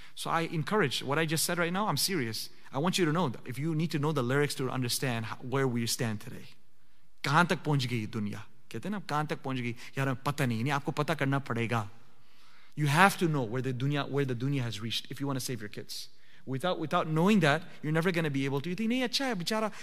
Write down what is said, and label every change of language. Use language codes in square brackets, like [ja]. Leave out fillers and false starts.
[en] So I encourage what I just said right now. I'm serious. I want you to know that if you need to know the lyrics to understand where we stand today. [ur] کہاں تک پہنچ گئی دنیا? کہتے نا کہاں تک پہنچ گئی? یار, پتا نہیں. آپ کو پتا کرنا پڑے گا. [en] You have to know where the dunya has reached if you want to save your kids. Without knowing that, you're never going to be able to. You think, [ur] نہیں اچھا ہے بیچارہ.